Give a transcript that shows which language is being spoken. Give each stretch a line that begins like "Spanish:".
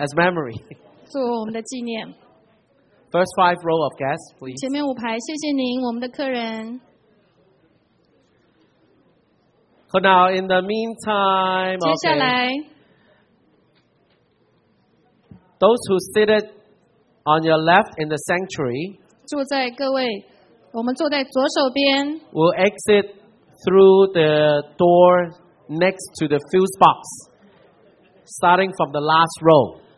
English: as memory. First five row of guests, please.
Chinese: 前面五排, 谢谢您,
English: so now, in the meantime, okay,
Chinese: 接下来,
English: those who seated on your left in the sanctuary
Chinese: 坐在各位, 我们坐在左手边,
English: will exit through the door next to the fuse box, starting from the last row.